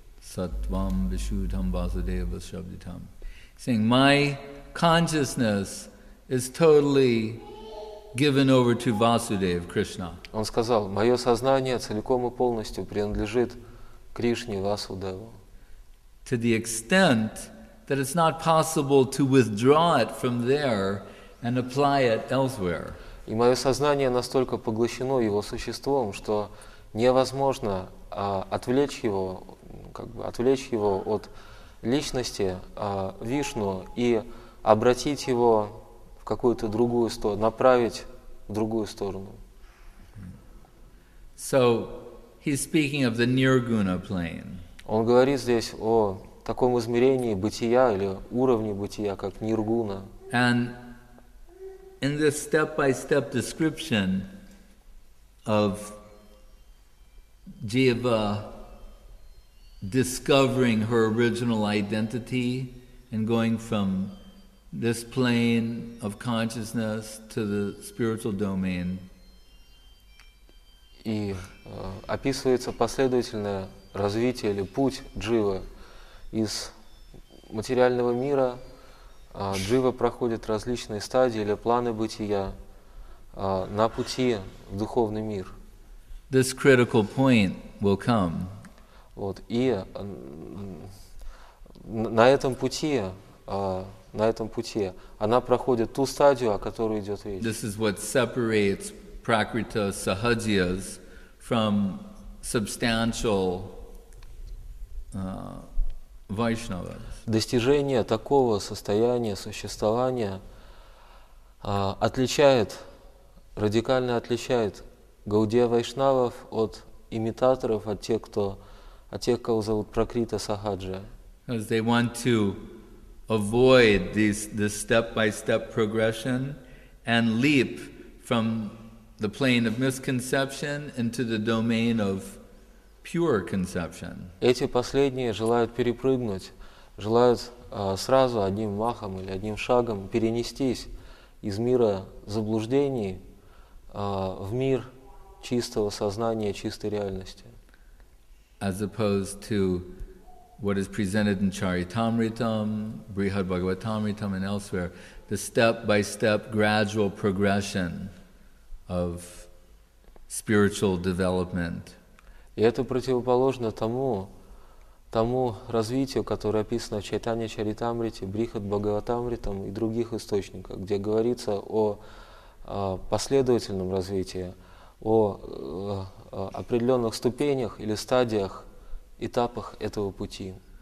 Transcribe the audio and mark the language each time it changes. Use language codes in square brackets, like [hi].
[sa] Саттвам вишудхам васудева шабдитам. [en] Saying, my consciousness is totally given over to Vasudev, Krishna. [ru] Он сказал, мое сознание целиком и полностью принадлежит Кришне, Васудеву. [en] To the extent that it's not possible to withdraw it from there and apply it elsewhere. [ru] И мое сознание настолько поглощено его существом, что невозможно отвлечь его от личности Вишну и обратить его в какую-то другую сторону, направить в другую сторону. [en] So he's speaking of the nirguna plane. [ru] Он говорит здесь о таком измерении бытия или уровне бытия, как ниргуна. [en] And in this step-by-step description of Jiva discovering her original identity and going from this plane of consciousness to the spiritual domain. [ru] И описывается последовательное развитие или путь Дживы из материального мира. Джива проходит различные стадии или планы бытия на пути в духовный мир. [en] This critical point will come. [ru] Вот, и на этом пути она проходит ту стадию, о которой идет речь. [en] This is what separates Prakrita Sahajiyas from substantial Vaishnavas. [ru] Достижение такого состояния существования радикально отличает Гаудия Вайшнавов от имитаторов, от тех, кого зовут Пракрита Сахаджа. [en] As they want to avoid this step-by-step progression and leap from the plane of misconception into the domain of pure conception. [ru] Эти последние желают перепрыгнуть, желают сразу одним махом или одним шагом перенестись из мира заблуждений в мир чистого сознания, чистой реальности. [en] As opposed to what is presented in Charitamritam, Brihad Bhagavatamritam, and elsewhere, the step-by-step gradual progression of spiritual development. [ru] И это противоположно тому развитию, которое описано в Чайтанья Чаритамрите, Брихад Бхагаватамритам и других источниках, где говорится о последовательном развитии, о определенных ступенях или стадиях, этапах этого пути.